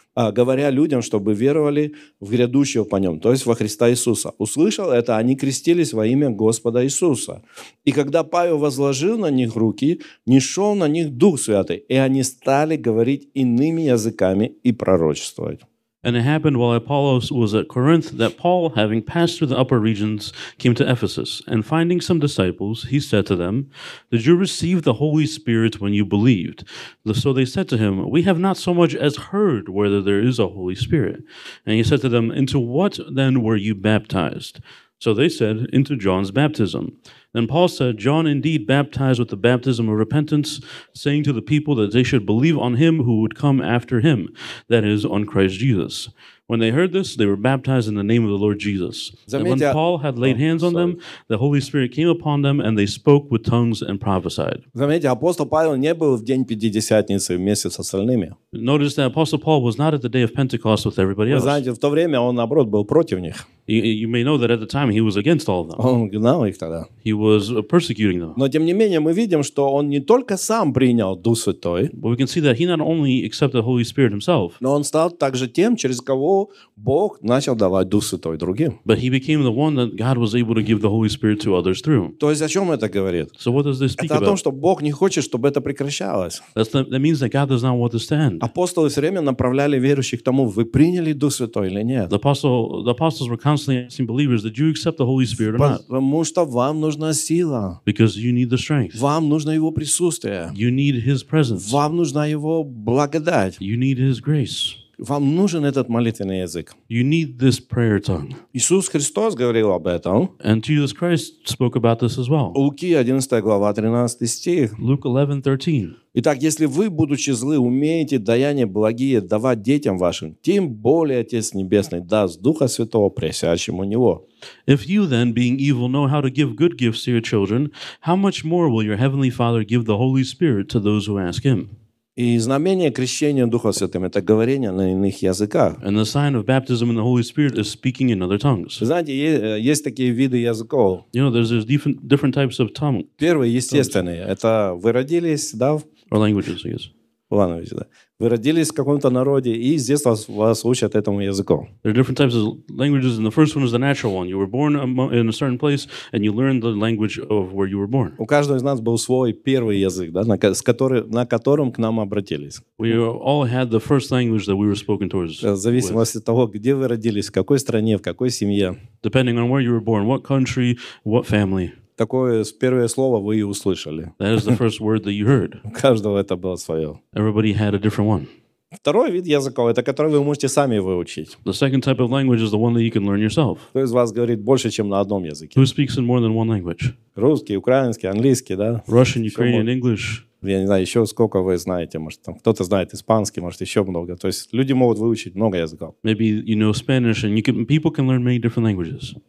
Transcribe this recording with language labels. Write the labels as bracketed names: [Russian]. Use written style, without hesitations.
[Russian] говоря людям, чтобы веровали в грядущего по нем, то есть во Христа Иисуса. Услышал это, они крестились во имя Господа Иисуса. И когда Павел возложил на них руки, не шел на них Дух Святый, и они стали говорить иными языками и пророчествовать. [English] And it happened while Apollos was at Corinth that Paul, having passed through the upper regions, came to Ephesus. And finding some disciples, he said to them, "Did you receive the Holy Spirit when you believed?" So they said to him, "We have not so much as heard whether there is a Holy Spirit." And he said to them, "Into what then were you baptized?" So they said, "Into John's baptism." Then Paul said, "John indeed baptized with the baptism of repentance, saying to the people that they should believe on him who would come after him, that is, on Christ Jesus." When they heard this, they were baptized in the name of the Lord Jesus. And when Paul had laid hands on them, the Holy Spirit came upon them, and they spoke with tongues and prophesied. [Russian] Заметьте, апостол Павел не был в день Пятидесятницы вместе с остальными. [English] Notice that Apostle Paul was not at the day of Pentecost with everybody else. [Russian] Вы знаете, в то время он, наоборот, был против них. [English] You may know that at the time he was against all of them. [Russian] Он гнал их тогда. [English] He was persecuting them. [Russian] Но, тем не менее, мы видим, что он не только сам принял Дух Святой. [English] But we can see that he not only accepted the Holy Spirit himself. [Russian] Но он стал также тем, через кого Бог начал давать Дух Святой другим. [English] But he became the one that God was able to give the Holy Spirit to others through. [Russian] То есть о чем это говорит? [English] So what does this speak about? [Russian] Это о том, что Бог не хочет, чтобы это прекращалось. [English] That means that God does not want to stand. [Russian] Апостолы все время направляли верующих к тому, вы приняли Дух Святой или нет. [English] The apostles were constantly asking believers, did you accept the Holy Spirit or not? [Russian] Потому что вам нужна сила. [English] Because you need the strength. [Russian] Вам нужно его присутствие. [English] You need his presence. [Russian] Вам нужна его благодать. [English] You need his grace. [Russian] Вам нужен этот молитвенный язык. [English] You need this prayer tongue. [Russian] Иисус Христос говорил об этом. [English] And Jesus Christ spoke about this as well. [Russian] Луки 11 глава 13 стих. [English] Luke 11, 13. [Russian] Итак, если вы, будучи злы, умеете даяния благие давать детям вашим, тем более Отец Небесный даст Духа Святого просящим у Него. [English] If you then, being evil, know how to give good gifts to your children, how much more will your Heavenly Father give the Holy Spirit to those who ask Him? [Russian] И знамение крещения Духом Святым – это говорение на иных языках. [English] And the sign of baptism in the Holy Spirit is speaking in other tongues. [Russian] Знаете, есть такие виды языков. [English] You know, there's different types of tongues. [Russian] Первый – естественный. Это вы родились, да? [English] Or languages, I guess. [Russian] Ивановича, да. Вы родились в каком-то народе, и с детства вас учат этому языку. [English] There are different types of languages, and the first one is the natural one. You were born in a certain place, and you learned the language of where you were born. [Russian] У каждого из нас был свой первый язык, да, на котором к нам обратились. [English] We all had the first language that we were spoken towards. [Russian] В зависимости от того, где вы родились, в какой стране, в какой семье. [English] Depending on where you were born, what country, what family. [Russian] Такое первое слово вы и услышали. [English] That is the first word that you heard. [Russian] У каждого это было свое. [English] Everybody had a different one. [Russian] Второй вид языка – это который вы можете сами выучить. [English] The second type of language is the one that you can learn yourself. [Russian] Кто из вас говорит больше, чем на одном языке? [English] Who speaks in more than one language? [Russian] Русский, украинский, английский, да? [English] Russian, Ukrainian, English. [Russian] Я не знаю, еще сколько вы знаете, может, там кто-то знает испанский, может, еще много. То есть люди могут выучить много языков. [English] Maybe you know Spanish and you can, people can learn many different languages.